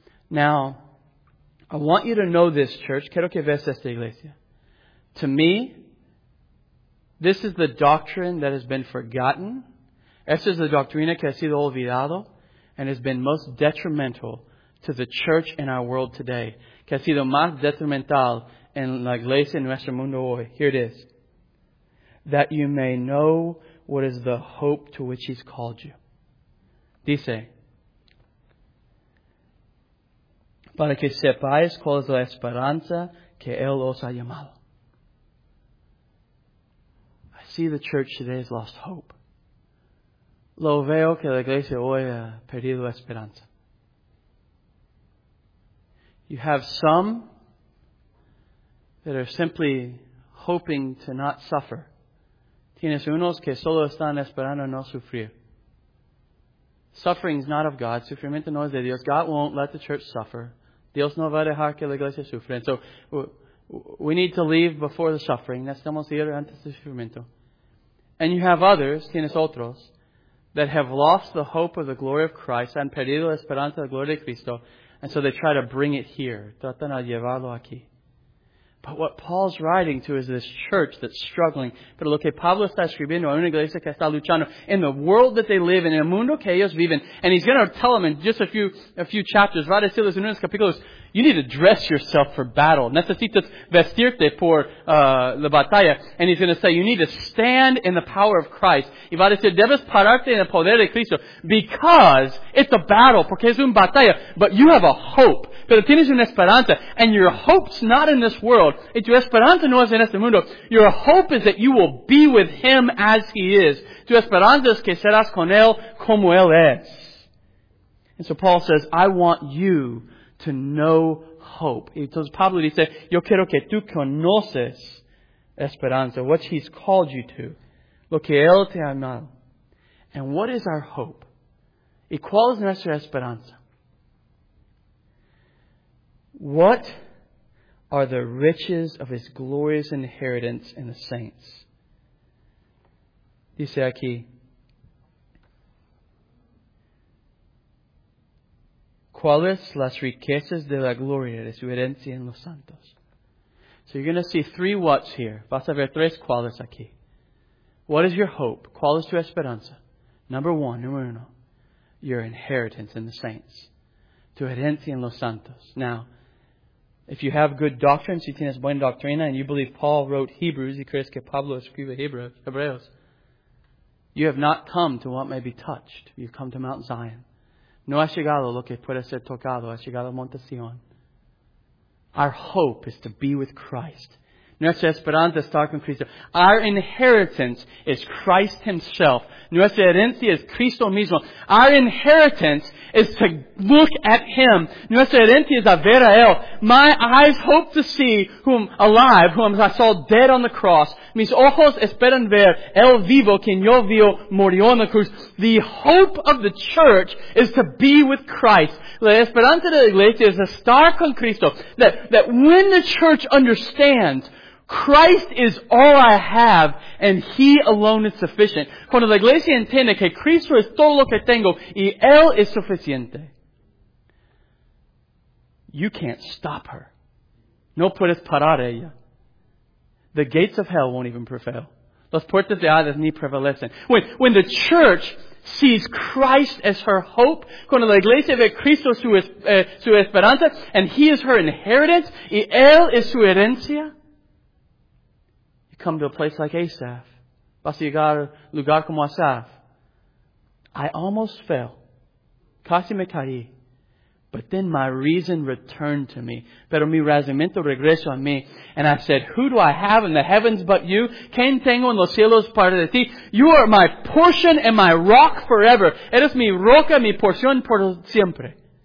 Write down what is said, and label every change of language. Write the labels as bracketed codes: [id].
[en] Now, I want you to know this, church. [es] Quiero que veas esta iglesia. [en] To me, this is the doctrine that has been forgotten. [es] Esta es la doctrina que ha sido olvidado [en] and has been most detrimental to the church in our world today. [es] Que ha sido más detrimental en la iglesia en nuestro mundo hoy. [en] Here it is. That you may know what is the hope to which He's called you. [es] Dice, para que sepáis cuál es la esperanza que Él os ha llamado. [en] see the church today has lost hope. [es] Lo veo que la iglesia hoy ha perdido esperanza. [en] You have some that are simply hoping to not suffer. [es] Tienes unos que solo están esperando no sufrir. [en] Suffering is not of God. [es] Sufrimiento no es de Dios. [en] God won't let the church suffer. [es] Dios no va a dejar que la iglesia sufra. [en] So we need to leave before the suffering. [es] Necesitamos ir antes del sufrimiento. [en] And you have others, [es] tienes otros, [en] that have lost the hope of the glory of Christ, [es] han perdido la esperanza de la gloria de Cristo, [en] and so they try to bring it here. [es] Tratan de llevarlo aquí. [en] But what Paul's writing to is this church that's struggling. [es] Pero lo que Pablo está escribiendo a una iglesia que está luchando [en] in the world that they live in [es] el mundo que ellos viven. [en] And he's going to tell them in just a few chapters, right? [es] Así los unos capítulos, [en] you need to dress yourself for battle. [es] Necesitas vestirte por la batalla. [en] And he's going to say, you need to stand in the power of Christ. [es] Y va a decir, debes pararte en el poder de Cristo. [en] Because it's a battle. [es] Porque es una batalla. [en] But you have a hope. [es] Pero tienes una esperanza. [en] And your hope's not in this world. [es] Tu esperanza no es en este mundo. [en] Your hope is that you will be with Him as He is. [es] Tu esperanza es que serás con Él como Él es. [en] And so Paul says, I want you to know hope. [es] Entonces Pablo dice, yo quiero que tú conoces esperanza, [en] what He's called you to, [es] lo que Él te ha llamado. [en] And what is our hope? [es] ¿Y cuál es nuestra esperanza? [en] What are the riches of His glorious inheritance in the saints? [es] Dice aquí, ¿cuáles las riquezas de la gloria de su herencia en los santos? [en] So you're going to see three what's here. [es] Vas a ver tres cuáles aquí. [en] What is your hope? [es] ¿Cuál es tu esperanza? [en] Number one, [es] número uno, [en] your inheritance in the saints. [es] Tu herencia en los santos. [en] Now, if you have good doctrine, [es] si tienes buena doctrina, [en] and you believe Paul wrote Hebrews, [es] y crees que Pablo escribe Hebreos, [en] you have not come to what may be touched. You've come to Mount Zion. [es] No has llegado lo que puede ser tocado, has llegado a Monte Sion. [en] Our hope is to be with Christ. [es] Nuestra esperanza está con Cristo. [en] Our inheritance is Christ Himself. [es] Nuestra herencia es Cristo mismo. [en] Our inheritance is to look at Him. [es] Nuestra herencia es a ver a Él. [en] My eyes hope to see whom alive, whom I saw dead on the cross. [es] Mis ojos esperan ver el vivo, quien yo vio murió en la cruz. [en] The hope of the church is to be with Christ. [es] La esperanza de la iglesia es estar con Cristo. [en] That when the church understands Christ is all I have, and He alone is sufficient. [es] Cuando la iglesia entiende que Cristo es todo lo que tengo, y Él es suficiente. [en] You can't stop her. [es] No puedes parar ella. [en] The gates of hell won't even prevail. [es] Las puertas de Hades ni prevalecen. [en] When the church sees Christ as her hope, [es] cuando la iglesia ve Cristo su esperanza, [en] and He is her inheritance, [es] y Él es su herencia, [en] come to a place like Asaph. [es] Vas a llegar a lugar como Asaph. [en] I almost fell. [es] Casi me caí. [en] But then my reason returned to me. [es] Pero mi razonamiento regresó a mí. [en] And I said, who do I have in the heavens but you? [es] ¿Quién tengo en los cielos parte de ti? [en] You are my portion and my rock forever. [es] Eres mi roca, mi porción por siempre.